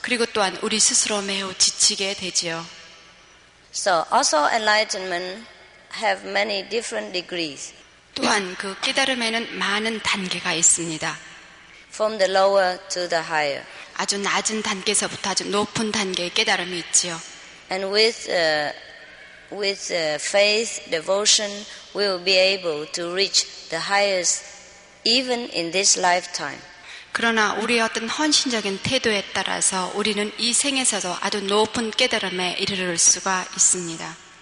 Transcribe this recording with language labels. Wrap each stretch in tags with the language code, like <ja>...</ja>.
<ko>그리고 또한 우리 스스로 매우 지치게 되지요.</ko> <en>So, also enlightenment have many different degrees.</en> <ko>또한 그 깨달음에는 많은 단계가 있습니다.</ko> <en>From the lower to the higher.</en> <ko>아주 낮은 단계에서부터 아주 높은 단계의 깨달음이 있지요.</ko> <en>And with faith, devotion, we will be able to reach the highest even in this lifetime.</en> <ko>그러나 우리의 어떤 헌신적인 태도에 따라서 우리는 이 생에서도 아주 높은 깨달음에 이르를 수가 있습니다.</ko>